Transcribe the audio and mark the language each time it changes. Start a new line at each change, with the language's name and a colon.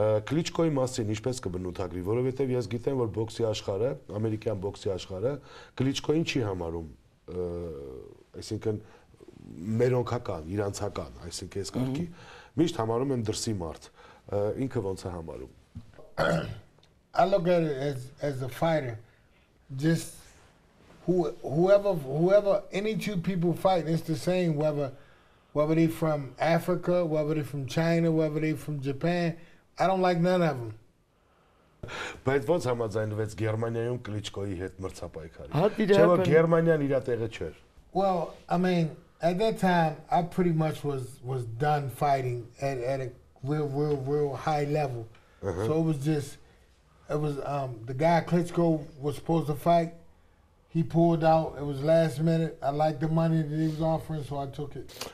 Armenian: Կլիչկոյի մասին ինչպես կբնութագրի, որովհետև ես գիտեմ, որ բոքսի աշխարհը, ամերիկյան բոքսի աշխարհը Կլիչկոին չի համարում, այսինքն մերոնքական, իրանցական, այսինքն ես կարգի, միշտ համարում են դրսի մարդ։ Ինքը ոնց է համարում։
English: I look at it as a fighter, just whoever any two people fight, it's the same whether they from Africa, whether they from China, whether they from Japan. I don't like none of them.
Armenian: Բայց ո՞նց համաձայնվեց Գերմանիայում Կլիչկոյի հետ մրցապայքարի։ Հա դիդա։ Չէ՞ որ Գերմանիան իր տեղը չէր։
English: Well, I mean, at that time I pretty much was done fighting at a real high level. Uh-huh. So it was the guy Klitschko was supposed to fight. He pulled out. It was last minute. I liked the money that he was offering, so I took it.